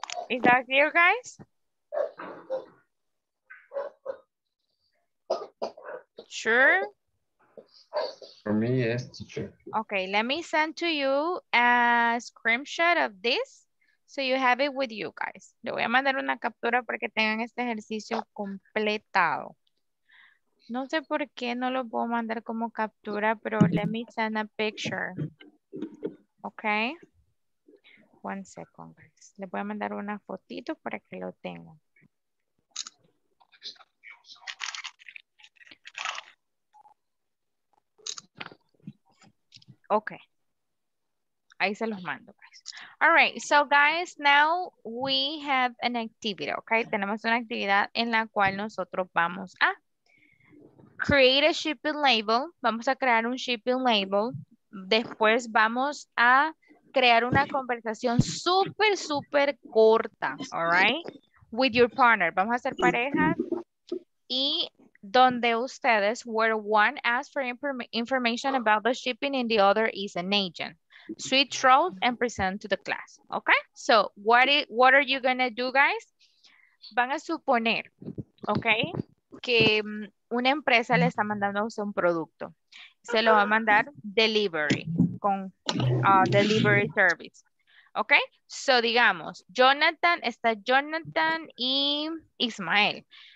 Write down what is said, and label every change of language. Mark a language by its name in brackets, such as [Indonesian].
[English] Is that clear, guys? Sure. For me, yes, teacher. Okay, let me send to you a screenshot of this so you have it with you guys. [Spanish] Le voy a mandar una captura para que tengan este ejercicio completado. No sé por qué no lo puedo mandar como captura, pero [English] let me send a picture. [Spanish] Okay. [English] One second, guys. [Spanish] Le voy a mandar una fotito para que lo tenga. Okay. Ahí se los mando, guys. [English] All right. So, guys, now we have an activity, okay? [Spanish] Tenemos una actividad en la cual nosotros vamos a [English] create a shipping label. [Spanish] Vamos a crear un shipping label. Después vamos a crear una conversación súper, súper corta, all right? [English] With your partner. [Spanish] Vamos a hacer parejas. Y donde ustedes, [English] where one asks for information about the shipping and the other is an agent. Switch roles and present to the class, okay? So, what are you gonna do, guys? [Spanish] Van a suponer, okay, que una empresa le está mandando a usted un producto. Se lo va a mandar delivery. Con delivery service. Ok, so digamos, Jonathan y Ismael.